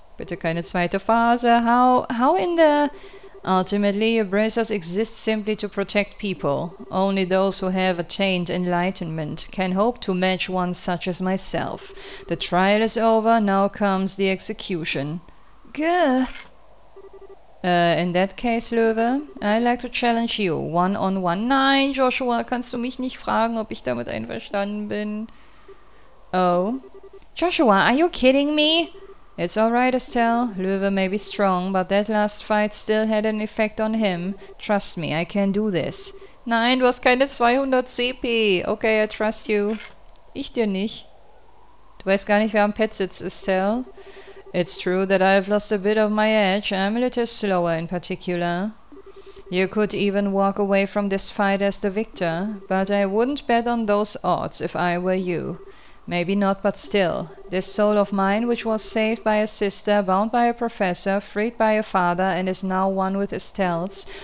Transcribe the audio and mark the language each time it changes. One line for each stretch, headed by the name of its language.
German: Bitte keine zweite Phase.
English: How in the... Ultimately, your bracers exist simply to protect people. Only those who have attained enlightenment can hope to match one such as myself. The trial is over, now comes the execution. Gah! In that case, Löwe, I'd like to challenge you, one-on-one.
German: Nein, Joshua, kannst du mich nicht fragen, ob ich damit einverstanden bin?
English: Oh? Joshua, are you kidding me? It's alright, Estelle. Löwe may be strong, but that last fight still had an effect on him. Trust me, I can do this.
German: Nein, du hast keine 200 CP.
English: Okay, I trust you.
German: Ich dir nicht. Du weißt gar nicht, wer am Pet sitzt, Estelle.
English: It's true that I've lost a bit of my edge. I'm a little slower in particular. You could even walk away from this fight as the victor, but I wouldn't bet on those odds if I were you. Maybe not, but still. This soul of mine, which was saved by a sister, bound by a professor, freed by a father, and is now one with Estelle's.